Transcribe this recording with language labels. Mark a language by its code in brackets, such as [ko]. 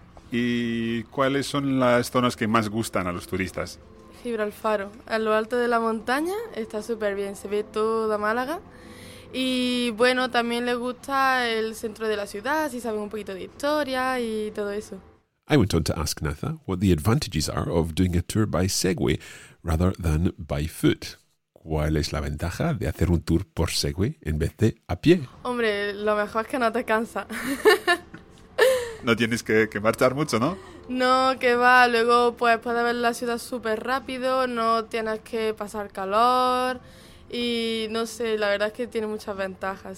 [es] ¿Y cuáles son las zonas que más gustan a los turistas? Gibraltar, a lo alto de la montaña, está súper bien, se ve toda Málaga. Y bueno, también les gusta el centro de la ciudad, si saben un poquito de historia y todo eso. [en] I went on to ask Natha what the advantages are of doing a tour by Segway rather than by foot. [es] ¿Cuál es la ventaja de hacer un tour por Segway en vez de a pie? Hombre, lo mejor es que no te cansa. No tienes que marchar mucho, ¿no? No, que va. Luego pues puedes ver la ciudad súper rápido, no tienes que pasar calor y no sé, la verdad es que tiene muchas ventajas.